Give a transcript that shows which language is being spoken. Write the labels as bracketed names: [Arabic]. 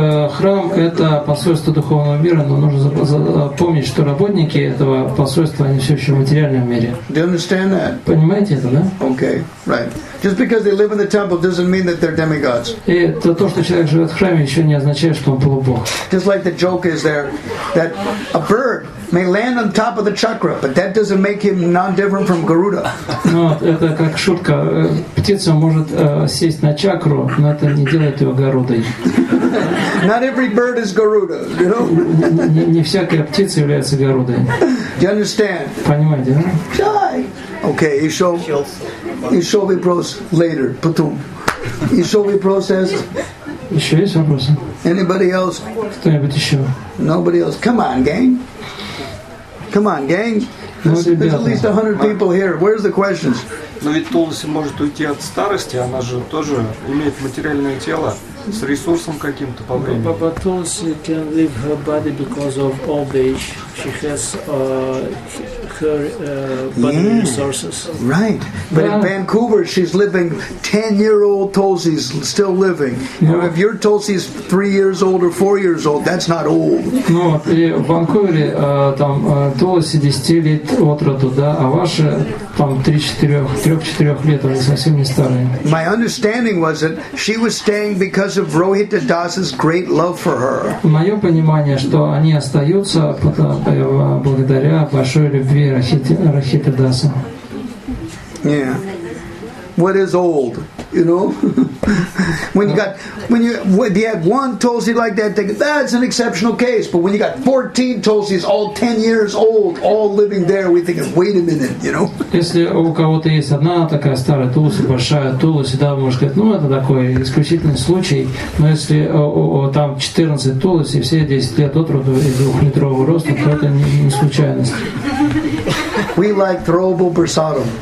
[Russian] Храм – это посольство духовного мира, но нужно помнить, что работники этого посольства, они все еще в материальном мире. [English] Do you understand that? [Russian] Понимаете это, да? [English] Okay, right. Just because they live in the temple doesn't mean that they're demigods. [Russian] И то, что человек живет в храме, еще не означает, что он полубог. [English] Just like the joke is there that a bird may land on top of the chakra, but that doesn't make him non-different from Garuda. [Russian] Ну, это как шутка. Птица может сесть на чакру, но это не делает его Гарудой. [English] Not every bird is Garuda, you know? [Russian] Не всякая птица является Гарудой. [English] Do you understand? [Russian] Понимаете, да? Чай! [English] Okay, he shall be processed later. [Russian] Потом. [English] He shall be processed. [Russian] Еще есть вопросы? [English] Anybody else? [Russian] Кто-нибудь еще? [English] Nobody else. Come on, gang. Come on, gang. There's at least 100 people here. Where's the questions? [Russian] Но ведь Тулси может уйти от старости, она же тоже имеет материальное тело с ресурсом каким-то по времени. [English] Папа Тулси can leave her body because of old age. She has her body resources. Right. But in Vancouver she's living 10-year-old Tulsi's still living. Now if your Tulsi is 3 years old or 4 years old, that's not old. [Russian] Ну, и в Ванкувере там Тулси 10 лет от роду, да, а ваша там 3-4 лет, она совсем не старая. [English] My understanding was that she was staying because of Rohita Das's great love for her. [Russian] Мое понимание, что они остаются благодаря большой любви Рахита Даса. [English] Yeah. What is old, you know? when you had one Tulsi like that, think that's an exceptional case. But when you got 14 Tulsis, all 10 years old, all living there, we think, wait a minute, you know? [Russian] Если у кого-то есть одна такая старая Тулси, большая Тулси, да, можно сказать, ну это такой исключительный случай. Но если там 14 Тулси, все 10 лет от роду и 2-метрового роста, то это не случайность. [English] We like throwable prasadam.